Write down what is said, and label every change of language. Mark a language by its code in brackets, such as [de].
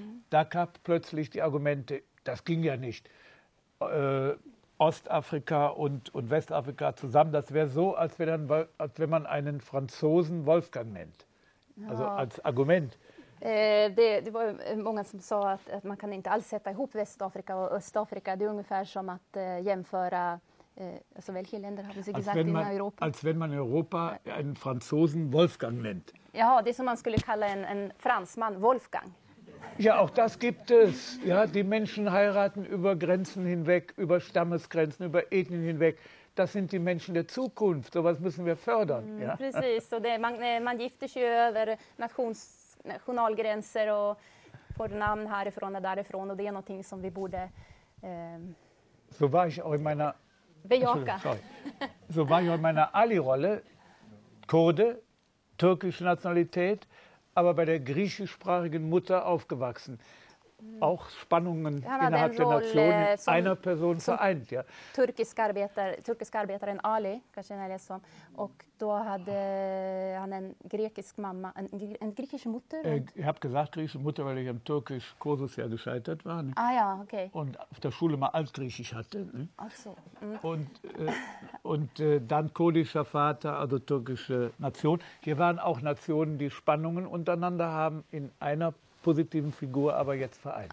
[de] Da gab plötzlich die Argumente, das ging ja nicht. Ostafrika und Westafrika zusammen, das wäre so, als wenn man einen Franzosen Wolfgang nennt. Also als Argument. [sv] Det var många som sa att man kan inte alls sätta ihop Västafrika och Östafrika. Det är ungefär som att jämföra vilka länder har vi gesagt i Europa? [de] Als wenn man in Europa einen Franzosen Wolfgang nennt. [sv] Ja, det som man skulle kalla en fransman Wolfgang. [de] Ja, auch das gibt es. Ja, die Menschen heiraten über Grenzen hinweg, über Stammesgrenzen, über Ethnien hinweg. Das sind die Menschen der Zukunft. Sowas müssen wir fördern. Ja. [sv] Precis, och det, man gifter sig över nationalgränser och får namn härifrån och därifrån och det är någonting som vi borde [de] so war ich auch in meiner [sv] bejaka. [de] So war ich auch in meiner Ali-Rolle, Kurde, türkische Nationalität, aber bei der griechischsprachigen Mutter aufgewachsen. Auch Spannungen innerhalb der Nation einer Person vereint, ja. [sv] Turkisk arbetaren Ali, kanske ni läser om, och då hade han en grekisk mamma, en grekisk mutter. [de] Ich habe gesagt griechische Mutter, weil ich im türkisch Kursus ja gescheitert war. Ne? Ah ja, okay. Und auf der Schule mal Altgriechisch hatte. Ne? Ach so. Und dann kurdischer Vater, also türkische Nation. Hier waren auch Nationen, die Spannungen untereinander haben in einer positiv figur, aber jetzt vereint.